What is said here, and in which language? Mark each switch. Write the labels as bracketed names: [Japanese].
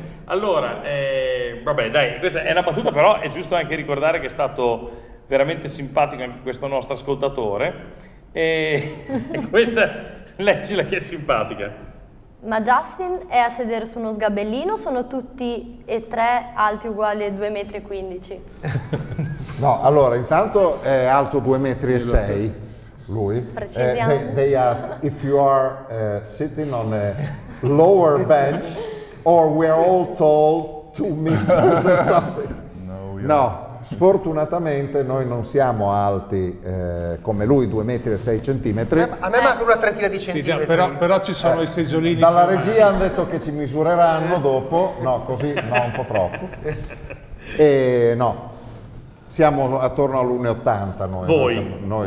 [Italian] Allora vabbè, dai, questa è una battuta, però è giusto anche ricordare che è stato veramente simpatico anche questo nostro ascoltatore. E questa, leggila che è simpatica. Ma Justin è a sedere su uno sgabellino, sono tutti e tre alti uguali a 2,15 m? No, allora, intanto è alto 2,06 m, lui. Precisiamo. [English] They ask if you are sitting on a lower bench or we're all tall 2 meters or something. [Italian] No. Sfortunatamente noi non siamo alti come lui, 2,06 m. A me manca una trentina di centimetri. Sì, però ci sono i seggiolini. Dalla regia hanno detto che ci misureranno dopo, no, così no, un po' troppo. E no, siamo attorno all'1,80 noi.